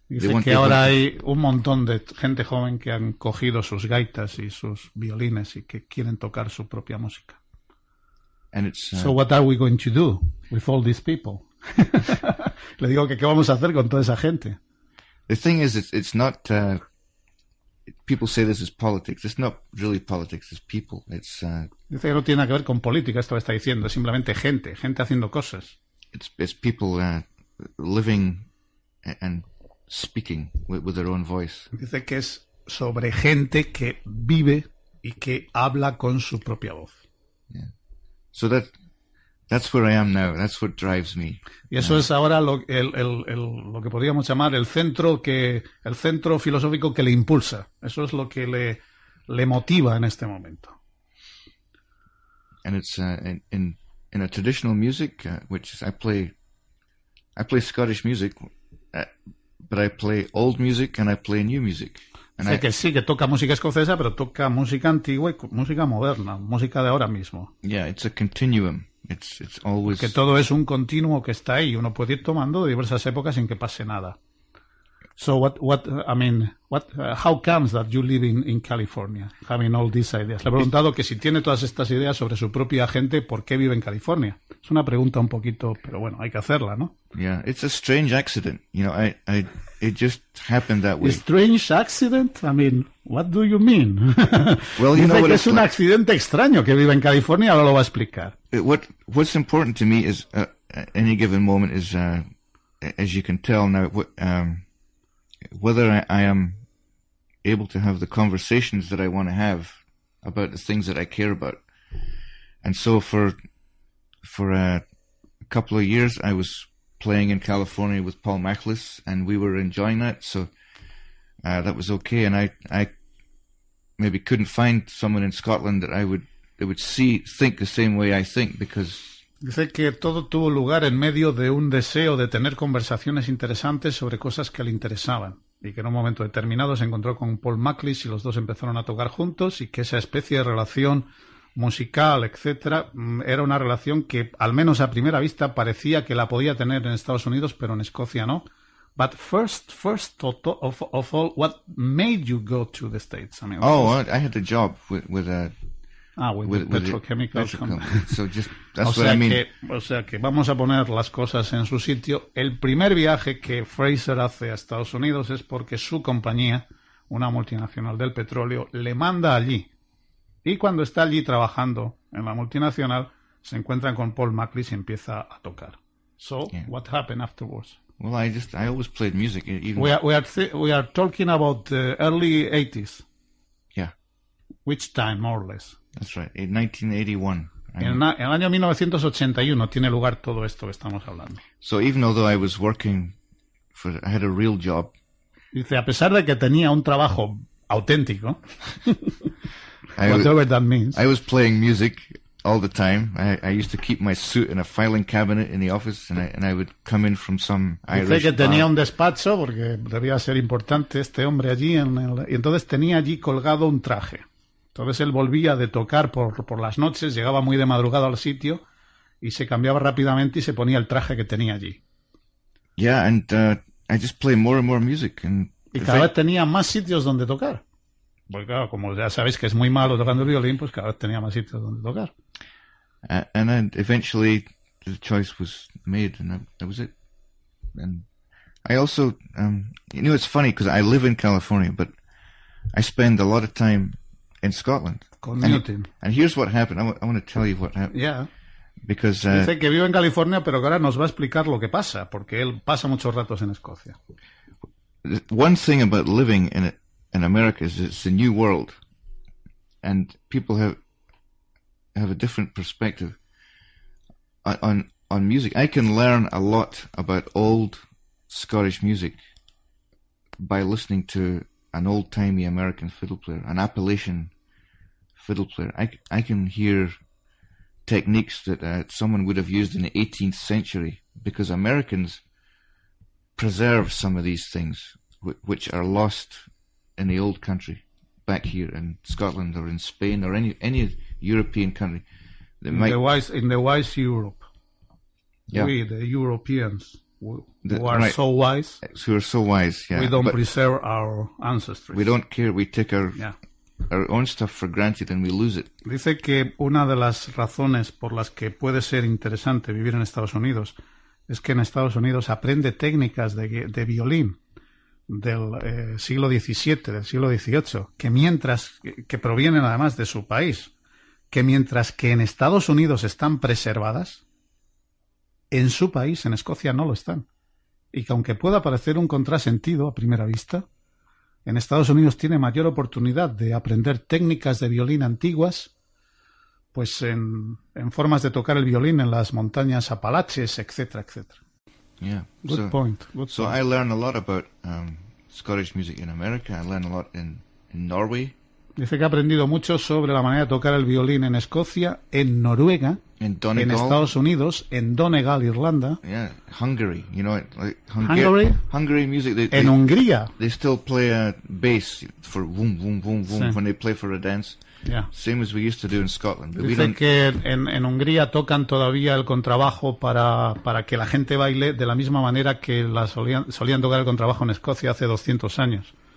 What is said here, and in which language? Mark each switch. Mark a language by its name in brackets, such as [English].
[Spanish] Dice que ahora hay un montón de gente joven que han cogido sus gaitas y sus violines y que quieren tocar su propia música. [English] And it's, so what are we going to do with all these people? [Spanish] Le digo que qué vamos a hacer con toda esa gente. [English] The thing is, it's not. People say this is politics. It's not really politics. It's people. It's. [Spanish] Dice que no tiene que ver con política. Esto está diciendo es simplemente gente haciendo cosas. [English] It's people living and speaking with their own voice. [Spanish] Dice que es sobre gente que vive y que habla con su propia voz. [English] Yeah. So that's where I am now. That's what drives me. [Spanish] Y eso es ahora lo que podríamos llamar el centro filosófico que le impulsa. Eso es lo que le motiva en este momento. [English] And it's in a traditional music which is, I play Scottish music, but I play old music and I play new music. And [Spanish] sé que sí, que toca música escocesa, pero toca música antigua y música moderna, música de ahora mismo. [English] Yeah, it's a continuum. It's always... [Spanish] Que todo es un continuo que está ahí. Uno puede ir tomando de diversas épocas sin que pase nada. [English] So how comes that you live in California, having all these ideas? [Spanish] Le he preguntado que si tiene todas estas ideas sobre su propia gente, ¿por qué vive en California? Es una pregunta un poquito, pero bueno, hay que hacerla, ¿no? [English] Yeah, it's a strange accident. You know, I it just happened that way. A strange accident? I mean, what do you mean? Well, you [Spanish] dice [English] know [Spanish] que [English] what [Spanish] es un [English] like. [Spanish] Accidente extraño que vive en California. Ahora lo va a explicar. [English] What's important to me is any given moment is as you can tell now. Whether I am able to have the conversations that I want to have about the things that I care about. And so for a couple of years, I was playing in California with Paul Machlis, and we were enjoying that, so that was okay. And I maybe couldn't find someone in Scotland that I would see, think the same way I think, because... [Spanish] Dice que todo tuvo lugar en medio de un deseo de tener conversaciones interesantes sobre cosas que le interesaban. Y que en un momento determinado se encontró con Paul Machlis y los dos empezaron a tocar juntos y que esa especie de relación musical, etcétera, era una relación que, al menos a primera vista, parecía que la podía tener en Estados Unidos, pero en Escocia no. [English] But first of all, what made you go to the States? I mean, oh, I had a job with a... With petrochemical. So just that's what I mean. [Spanish] O sea que vamos a poner las cosas en su sitio. El primer viaje que Fraser hace a Estados Unidos es porque su compañía, una multinacional del petróleo, le manda allí. Y cuando está allí trabajando en la multinacional, se encuentran con Paul Machlis y empieza a tocar. [English] So yeah. What happened afterwards? Well, I always played music. Even... We are talking about the early 80s. Yeah. Which time, more or less? That's right. In 1981. [Spanish] En el año 1981 tiene lugar todo esto que estamos hablando. [English] So even although I was working for, I had a real job. [Spanish] Dice, a pesar de que tenía un trabajo auténtico. [English] Whatever that means. I was playing music all the time. I used to keep my suit in a filing cabinet in the office, and I would come in from some Irish. [Spanish] Dice que tenía un despacho porque debía ser importante este hombre allí, y entonces tenía allí colgado un traje. Entonces él volvía de tocar por las noches, llegaba muy de madrugada al sitio y se cambiaba rápidamente y se ponía el traje que tenía allí. [English] Yeah, and I just play more and more music. And [Spanish] y cada vez tenía más sitios donde tocar. Pues claro, como ya sabéis que es muy malo tocando el violín, pues cada vez tenía más sitios donde tocar. [English] And then eventually the choice was made, and that was it. And I also, you know, it's funny because I live in California, but I spend a lot of time in Scotland. Commuting. And here's what happened. I want to tell you what happened. Yeah. Because [Spanish] dice que vive en California, pero ahora nos va a explicar lo que pasa, porque él pasa muchos ratos en Escocia. [English] One thing about living in America is it's a new world, and people have a different perspective on music. I can learn a lot about old Scottish music by listening to an old-timey American fiddle player, an Appalachian fiddle player. I can hear techniques that someone would have used in the 18th century, because Americans preserve some of these things which are lost in the old country, back here in Scotland or in Spain or any European country. In the wise Europe. Yeah. We, the Europeans, who are so wise. Who are so wise, yeah. We don't preserve our ancestry. We don't care, we take our own stuff for granted and we lose it. [Spanish] Dice que una de las razones por las que puede ser interesante vivir en Estados Unidos es que en Estados Unidos aprende técnicas de violín del siglo XVII, del siglo XVIII, que provienen además de su país, que mientras que en Estados Unidos están preservadas, en su país, en Escocia, no lo están. Y que aunque pueda parecer un contrasentido a primera vista, en Estados Unidos tiene mayor oportunidad de aprender técnicas de violín antiguas, pues en formas de tocar el violín en las montañas apalaches, etcétera, etcétera. [English] Yeah. Good point. I learn a lot about Scottish music in America. I learn a lot in Norway. [Spanish] Dice que ha aprendido mucho sobre la manera de tocar el violín en Escocia, en Noruega, en Estados Unidos, en Donegal, Irlanda. [English] Yeah, Hungary. You know, Hungary music. They, [Spanish] en Hungría. [English] They still play a bass for boom, boom, boom, boom, sí, when they play for a dance. Yeah. Same as we used to do in Scotland. [Spanish] But dice que en Hungría tocan todavía el contrabajo para que la gente baile de la misma manera que la solían tocar el contrabajo en Escocia hace 200 años.